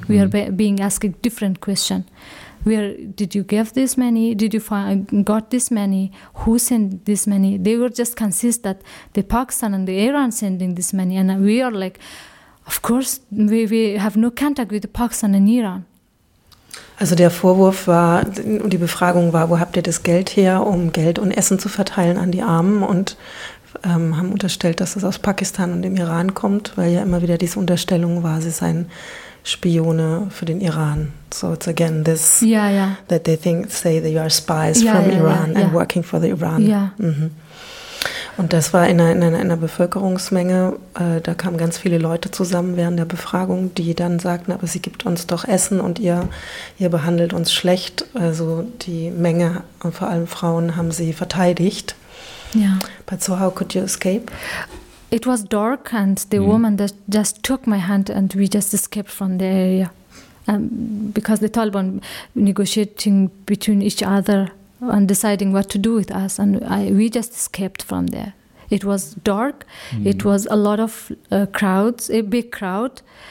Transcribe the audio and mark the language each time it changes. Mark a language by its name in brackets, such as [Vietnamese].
[English] We are being asked a different question. Where did you give this money? Did you got this money? Who sent this money? They were just consist that the Pakistan and the Iran sending this money, and we are like, of course, we have no contact with the Pakistan and Iran. [German] Also der Vorwurf war, und die Befragung war, wo habt ihr das Geld her, um Geld und Essen zu verteilen an die Armen, und haben unterstellt, dass es aus Pakistan und dem Iran kommt, weil ja immer wieder diese Unterstellung war, sie seien Spione für den Iran. [English] So it's again this, yeah, yeah. that they think, say that you are spies from Iran and working for the Iran. Yeah. Mhm. [German] Und das war in einer Bevölkerungsmenge, da kamen ganz viele Leute zusammen während der Befragung, die dann sagten, aber sie gibt uns doch Essen und ihr behandelt uns schlecht. Also die Menge, und vor allem Frauen, haben sie verteidigt. [English] Yeah. But so how could you escape? It was dark and the woman that just took my hand and we just escaped from the area. Because the Taliban negotiating between each other and deciding what to do with us, and we just escaped from there. It was dark, it was a lot of crowds, a big crowd.